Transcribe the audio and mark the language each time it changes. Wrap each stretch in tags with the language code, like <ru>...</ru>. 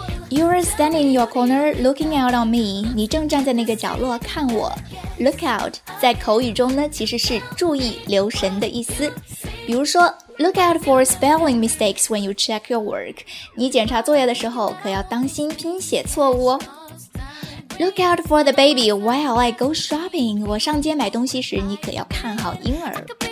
<en>You're standing in your corner looking out on me.</en> <zh>你正站在那个角落看我。Look out, 在口语中呢其实是注意留神的意思。比如说</zh> <en>,Look out for spelling mistakes when you check your work.</en> <zh>你检查作业的时候可要当心拼写错误哦。</zh> <en>Look out for the baby while I go shopping.</en> <zh>我上街买东西时你可要看好婴儿。</zh>